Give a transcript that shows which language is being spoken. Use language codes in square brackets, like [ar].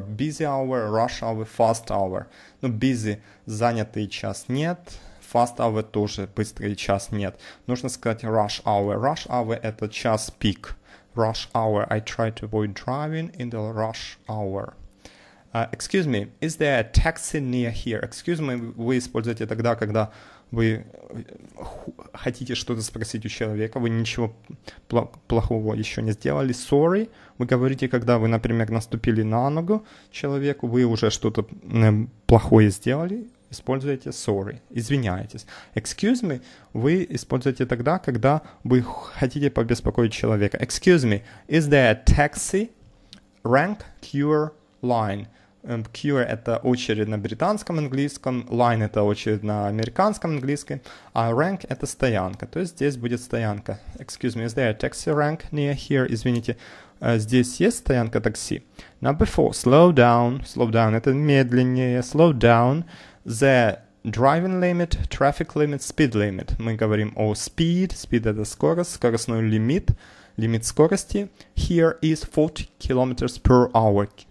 [en] Busy hour, rush hour, fast hour. [ru] Ну, [en] busy — [ru] занятый час нет. [en] Fast hour [ru] — тоже быстрый час нет. Нужно сказать [en] rush hour. Rush hour — [ru] это час пик. [en] Rush hour. I try to avoid driving in the rush hour. Excuse me, is there a taxi near here? Excuse me, [ru] вы используете тогда, когда вы хотите что-то спросить у человека, вы ничего плохого еще не сделали. [en] Sorry, [ru] вы говорите, когда вы, например, наступили на ногу человеку, вы уже что-то плохое сделали, используете [en] sorry, [ru] извиняетесь. [en] Excuse me, [ru] вы используете тогда, когда вы хотите побеспокоить человека. [en] Excuse me, is there a taxi rank queue line? [ru] Queue — это очередь на британском английском, line — это очередь на американском английском, а rank — это стоянка, то есть здесь будет стоянка. [en] Excuse me, is there a taxi rank near here? [ru] Извините, здесь есть стоянка такси? [en] Number four, slow down. Slow down — [ru] это медленнее. [en] Slow down. The driving limit, traffic limit, speed limit. [ru] Мы говорим о speed. Speed — это скорость, скоростной лимит. Лимит скорости. [en] Here is 40 kilometers per hour.